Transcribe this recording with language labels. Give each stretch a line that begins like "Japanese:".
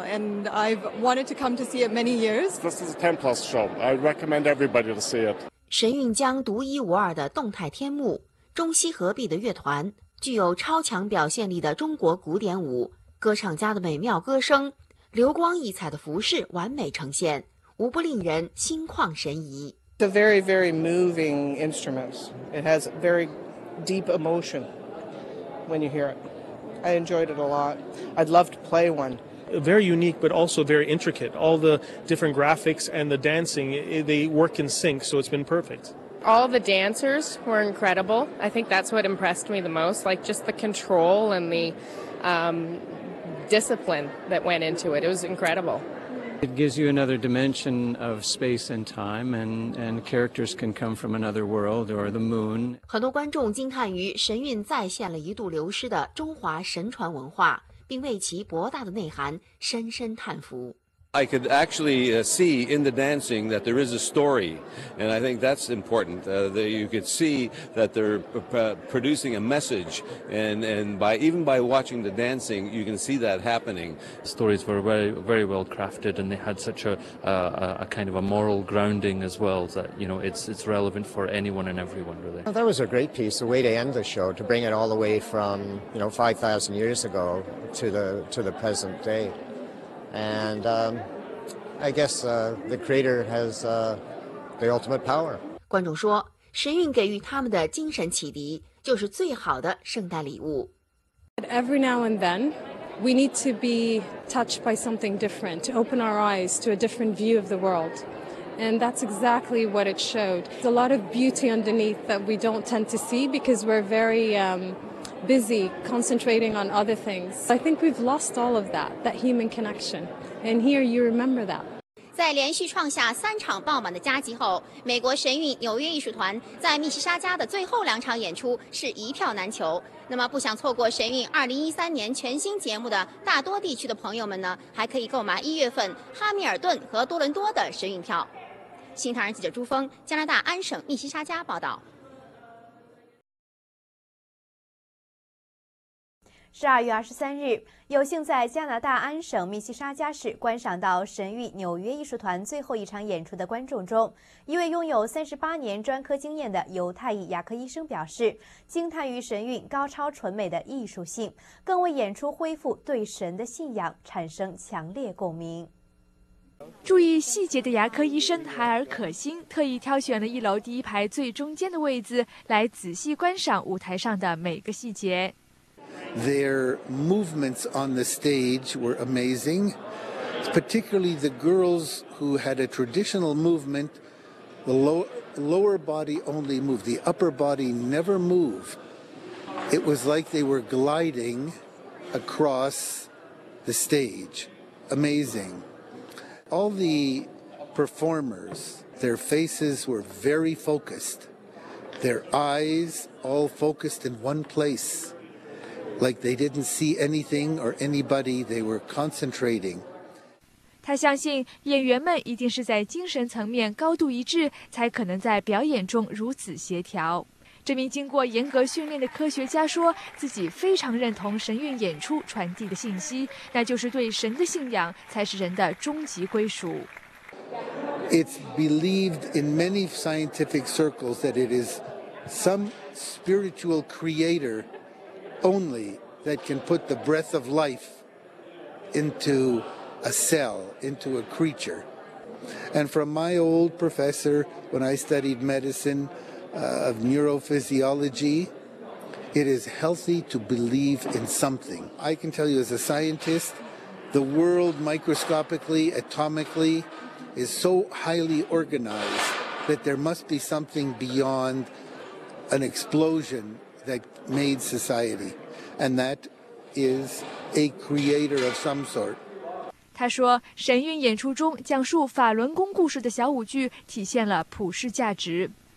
English: And I've wanted to come to see it many years. This is a 10+ show. I recommend everybody to see it.
Chinese: 神韵将独一无二的动态天幕、中西合璧的乐团、具有超强表现力的中国古典舞、歌唱家的美妙歌声、流光溢彩的服饰完美呈现，无不令人心旷神怡。
English: It's a very, very moving instrument. It has very deep emotion when you hear it. I enjoyed it a lot. I'd love to play one. Very unique, but also very intricate. All the different graphics and the dancing, they work in sync, so it's been perfect. All the dancers were incredible. I think that's what impressed me the most, like just the control and the discipline that went into it. It was incredible. It gives you another dimension of space and time, and characters can come from another world or the moon.
Chinese: 很多观众惊叹于神韵再现了一度流失的中华神传文化，并为其博大的内涵深深叹服。
English: I could actually see in the dancing that there is a story, and I think that's important. That you could see that they're producing a message, and by watching the dancing, you can see that happening. The stories were very, very well crafted, and they had such a kind of a moral grounding as well that, you know, it's relevant for anyone and everyone, really. Well, that was a great piece, a way to end the show, to bring it all the way from, you know, 5,000 years ago to the present day. And I guess the creator has the ultimate power.
Chinese: 观众说，神韵给予他们的精神启迪就是最好的圣诞礼物。
English: Every now and then, we need to be touched by something different, to open our eyes to a different view of the world. And that's exactly what it showed. There's a lot of beauty underneath that we don't tend to see because we're very... busy concentrating on other things. I think we've lost all of that human connection. And here you remember that.
Chinese: 在连续创下三场爆满的佳绩后，美国神韵纽约艺术团在密西沙加的最后两场演出是一票难求。那么不想错过神韵2013年全新节目的大多地区的朋友们呢，还可以购买1月份哈密尔顿和多伦多的神韵票。新唐人记者朱峰，加拿大安省密西沙加报道。 12月23日，有幸在加拿大安省密西沙加市观赏到神韵纽约艺术团最后一场演出的观众中，一位拥有38年专科经验的犹太裔牙科医生表示，惊叹于神韵高超纯美的艺术性，更为演出恢复对神的信仰产生强烈共鸣。注意细节的牙科医生海尔可欣特意挑选了一楼第一排最中间的位子，来仔细观赏舞台上的每个细节。
English: Their movements on the stage were amazing, particularly the girls who had a traditional movement, the lower body only moved, the upper body never moved. It was like they were gliding across the stage. Amazing. All the performers. Their faces were very focused. Their eyes all focused in one place. Like they didn't see anything or anybody, they were concentrating.
Chinese: 他相信演员们一定是在精神层面高度一致，才可能在表演中如此协调。这名经过严格训练的科学家说，自己非常认同神韵演出传递的信息，那就是对神的信仰才是人的终极归属。
English: It's believed in many scientific circles that it is some spiritual creator only that can put the breath of life into a cell, into a creature. And from my old professor, when I studied medicine, of neurophysiology, it is healthy to believe in something. I can tell you as a scientist, the world microscopically, atomically,is so highly organized that there must be something beyond an explosion that made society, and that is a creator of some sort.
Chinese: 他说，神韵演出中讲述法轮功故事的小舞剧体现了普世价值。